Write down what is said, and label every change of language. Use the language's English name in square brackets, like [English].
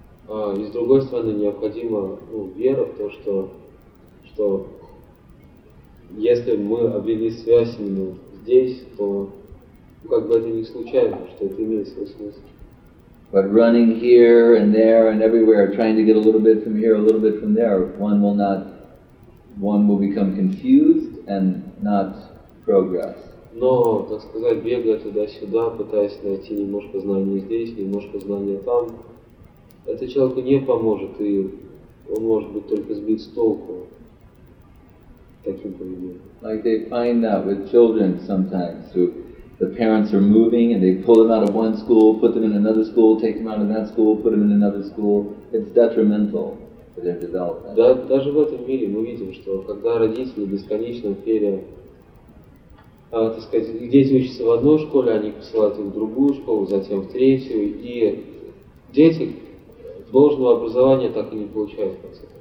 [Russian] И с другой стороны, необходима вера в то, что если мы обрели связь именно здесь, то как бы это не случайно, что это имеет свой смысл. [English] But running here and there and everywhere, trying to get a little bit from here, a little bit from there, one will become confused and not progress. [Russian] Но, так сказать, бегая туда-сюда, пытаясь найти немножко знания здесь, немножко знания там, это человеку не поможет, и он может быть только сбит с толку таким поведением. [English] Like they find that with children sometimes, who the parents are moving, and they pull them out of one school, put them in another school, take them out of that school, put them in another school. It's detrimental for their development. [Russian] Да, даже в этом мире мы видим, что когда родители бесконечно дети учатся в одной школе, они посылают их в другую школу, затем в третью, и дети должного образования так и не получают, в конце